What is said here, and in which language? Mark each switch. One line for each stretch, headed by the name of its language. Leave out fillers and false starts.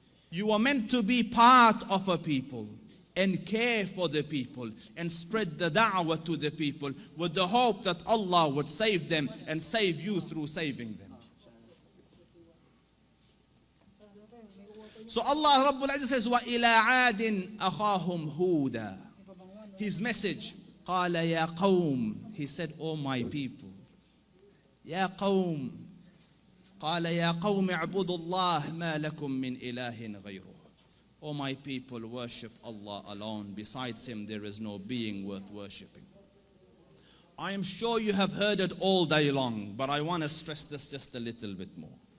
English: You are meant to be part of a people and care for the people and spread the da'wah to the people with the hope that Allah would save them and save you through saving them. So Allah Rabbul Azza says,
Arabic: وَإِلَىٰ عَادٍ أَخَاهُمْ هُودًا.
English: His message,
Arabic: قَالَ يَا قَوْمٍ.
English: He said, oh my people,
Arabic: يَا قَوْمٍ. قَالَ يَا قَوْمِ اعْبُدُ اللَّهِ مَا لَكُمْ مِنْ إِلَهٍ غَيْرُهُ.
English: Oh my people, worship Allah alone. Besides Him, there is no being worth worshipping. I am sure you have heard it all day long, but I want to stress this just a little bit more.